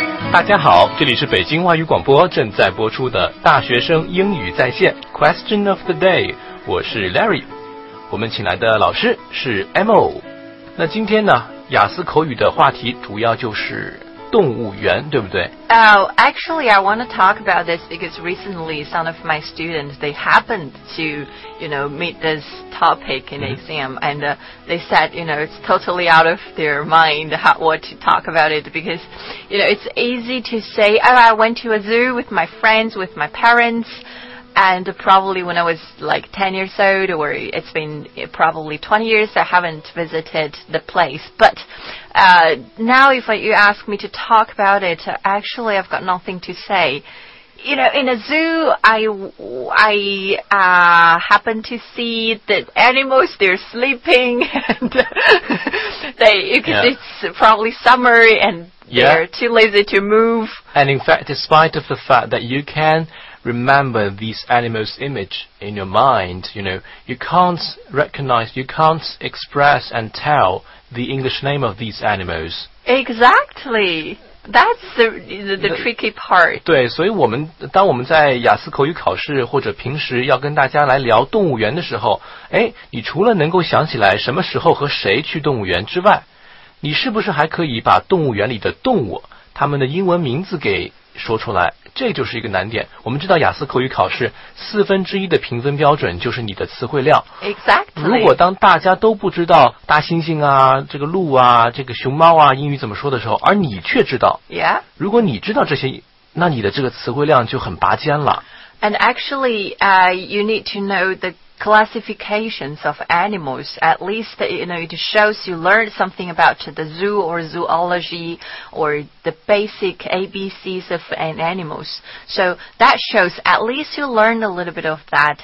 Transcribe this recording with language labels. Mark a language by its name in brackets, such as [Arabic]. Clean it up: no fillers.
[Chinese] 大家好，这里是北京外语广播正在播出的大学生英语在线 Question of the day， 我是 Larry。我们请来的老师是 Emo。那今天呢，雅思口语的话题主要就是动物园，对不对？ [English] Oh, actually, I want to talk about this because recently some of my students, they happened to, you know, meet this topic in exam, and they said, you know, it's totally out of their mind what to talk about it, because, you know, it's easy to say, oh, I went to a zoo with my friends, with my parents, and probably when I was like 10 years old, or it's been probably 20 years, I haven't visited the place, butNow if you ask me to talk about it, actually I've got nothing to say. You know, in a zoo, I happen to see the animals, they're sleeping, and it's probably summer, and they're too lazy to move. And in fact, despite of the fact that you can remember these animals' image in your mind, you know, you can't recognize, you can't express and tell the English name of these animals. Exactly. That's the tricky part. [Chinese] 对，所以我们当我们在雅思口语考试或者平时要跟大家来聊动物园的时候，哎，你除了能够想起来什么时候和谁去动物园之外，你是不是还可以把动物园里的动物他们的英文名字给说出来？这就是一个难点。我们知道雅思口语考试四分之一的评分标准就是你的词汇量。 [English] Exactly. [Chinese] 如果当大家都不知道大猩猩啊、这个鹿啊、这个熊猫啊英语怎么说的时候，而你却知道， [English] yeah. [Chinese] 如果你知道这些，那你的这个词汇量就很拔尖了。 [English] And actually, you need to know the classifications of animals. At least, you know, it shows you learned something about the zoo or zoology or the basic ABCs of animals. So that shows at least you learned a little bit of that.